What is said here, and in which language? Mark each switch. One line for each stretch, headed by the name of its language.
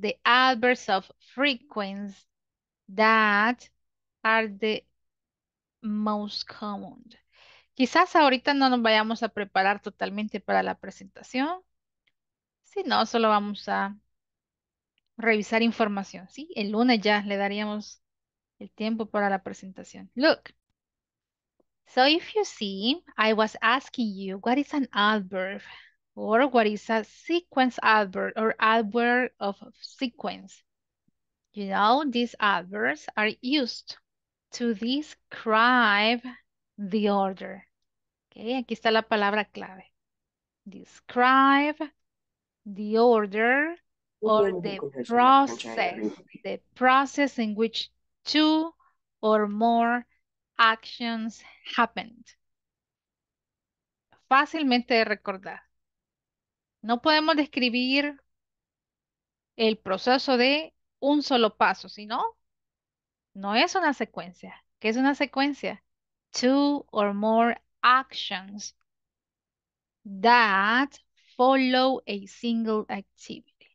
English: The adverbs of frequency that are the most common.
Spanish: Quizás ahorita no nos vayamos a preparar totalmente para la presentación. Si no, solo vamos a revisar información. ¿Sí? El lunes ya le daríamos el tiempo para la presentación.
English: Look. So if you see, I was asking you, what is an adverb? Or what is a sequence adverb or adverb of sequence? You know, these adverbs are used to describe the order. Okay,
Spanish: aquí está la palabra clave.
English: Describe the order or the process. The process in which two or more actions happened.
Spanish: Fácilmente de recordar. No podemos describir el proceso de un solo paso, sino no es una secuencia. ¿Qué es una secuencia?
English: Two or more actions that follow a single activity.